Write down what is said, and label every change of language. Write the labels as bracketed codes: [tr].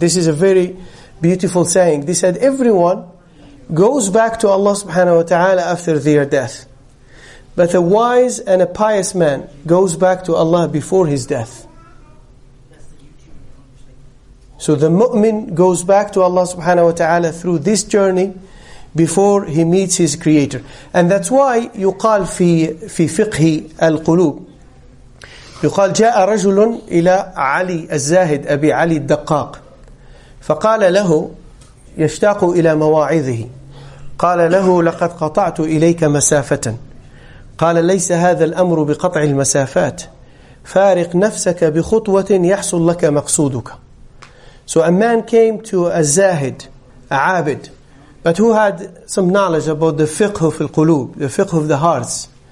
[en] This is a very beautiful saying. They said everyone goes back to Allah subhanahu wa ta'ala after their death. But a wise and a pious man goes back to Allah before his death. So the mu'min goes back to Allah subhanahu wa ta'ala through this journey before he meets his creator. And that's why [ar] يقال في فقه القلوب يقال جاء رجل إلى علي الزاهد أبي علي الدقاق فقال له يشتاق إلى مواعظه قال له لقد قطعت إليك مسافة قال ليس هذا الأمر بقطع المسافات فارق نفسك بخطوة يحصل لك مقصودك. [en] So a man came to a zahid, a abid, but who had some knowledge about the fiqh of al-qulub, the fiqh of the hearts.